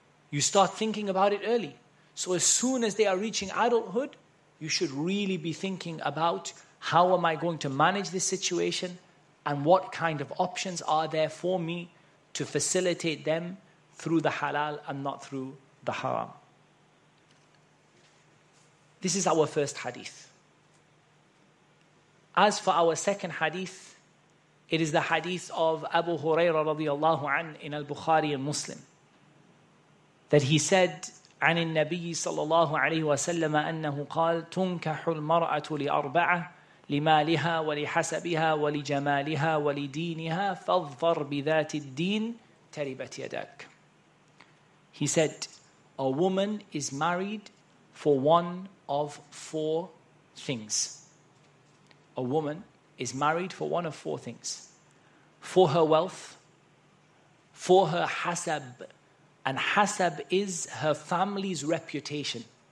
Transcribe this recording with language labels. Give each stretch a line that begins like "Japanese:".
English: You start thinking about it early. So as soon as they are reaching adulthood, you should really be thinking about how am I going to manage this situation and what kind of options are there for me to facilitate them through the halal and not through the haram. This is our first hadith. As for our second hadith, it is the hadith of Abu Hurairah radiallahu an in al-Bukhari and Muslim. That he said,
Arabic: عن النبي صلى الله عليه وسلم أنه قال تنكح المرأة لأربعة لمالها ولحسبها ولجمالها ولدينها فاظفر بذات الدين تربت يدك.
English: He said, a woman is married for one of four things. A woman is married for one of four things. For her wealth, for her hasab. And hasab is her family's reputation.